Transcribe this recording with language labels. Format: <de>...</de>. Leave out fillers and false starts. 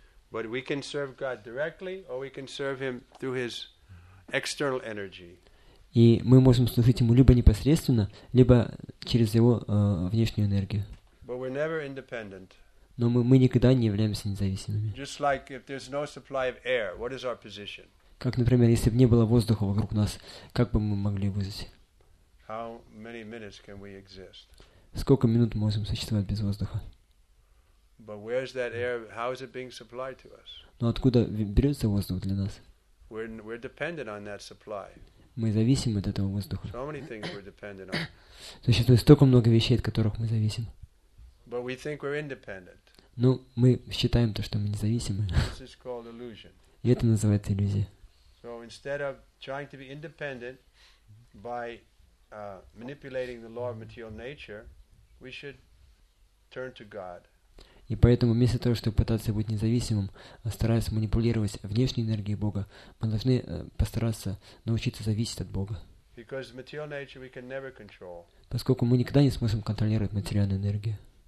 <en>But we can serve God directly, or we can serve Him through His external energy.</en> <ru>И мы можем служить Ему либо непосредственно, либо через Его внешнюю энергию.</ru> <en>But we're never independent.</en> <ru>Но мы никогда не являемся независимыми.</ru> <en>Just like if there's no supply of air, what is our position?</en> <ru>Как, например, если бы не было воздуха вокруг нас, как бы мы могли выжить?</ru> <en>How many minutes can we exist?</en> <ru>Сколько минут мы можем существовать без воздуха?</ru> <en>But where's that air? How is it being supplied to us?</en> <ru>Но откуда берется воздух для нас?</ru> <en>We're dependent on that supply.</en> <ru>Мы зависим от этого воздуха.</ru> <en>So many things we're dependent on.</en> <ru>Существует столько много вещей, от которых мы зависим.</ru> <en>But we think we're independent.</en> <ru>Но мы считаем то, что мы независимы.</ru> <en>This is called illusion.</en> <ru>И это называется иллюзия.</ru> <en>So instead of trying to be independent by manipulating the law of material nature, we should turn to God.</en> <ru>И поэтому вместо того, чтобы пытаться быть независимым, стараясь манипулировать внешней энергией Бога, мы должны постараться научиться зависеть от Бога. Поскольку мы никогда не сможем контролировать материальную энергию.</ru>